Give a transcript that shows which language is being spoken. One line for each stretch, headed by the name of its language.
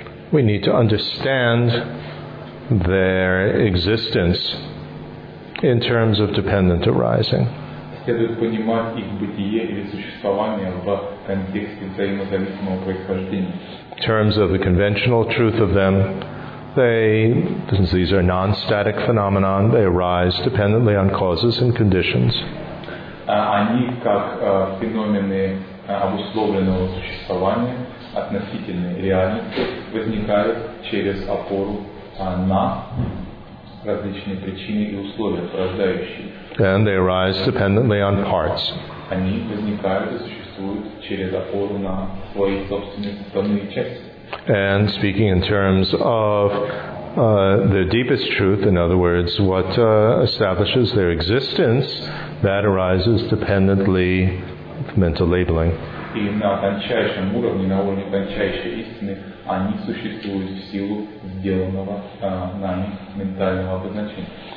English: We need to understand their existence in terms of dependent arising.
Russian: Следует понимать их бытие или существование в контексте взаимозависимого происхождения.
English: In terms of the conventional truth of them, since these are non-static phenomena, they arise dependently on causes and conditions.
Russian: Они как феномены обусловленного существования, относительной реальности, возникают через опору на различные причины и условия, порождающие.
English: And they arise dependently on parts.
Russian: Они возникают и существуют через опору на свои собственные составные части.
English: And speaking in terms of the deepest truth, in other words, what establishes their existence, that arises dependently of mental labeling.
Russian: И на тончайшем уровне, на уровне тончайшей истины, они существуют в силу сделанного нами ментального обозначения.